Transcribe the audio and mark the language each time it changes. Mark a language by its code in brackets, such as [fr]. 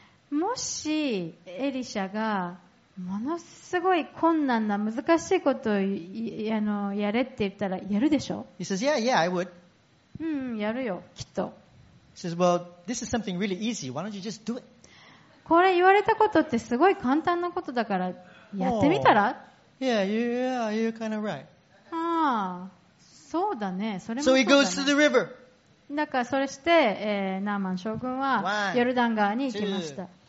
[ja] もしエリシャがものすごい困難な難しいことをやれって言ったらやるでしょ。 [en] He says, yeah, yeah, I would. [ja] うん、やるよ、きっと。 [en] He says, well, this is something really easy. Why don't you just do it? [ja] これ言われたことってすごい簡単なことだからやってみたら、 [en] oh, Yeah, you're kind of right. [ja] ああ、そうだね。それもそうだね。 So he goes to the river. だからそれして、ナーマン将軍はヨルダン川に行きました。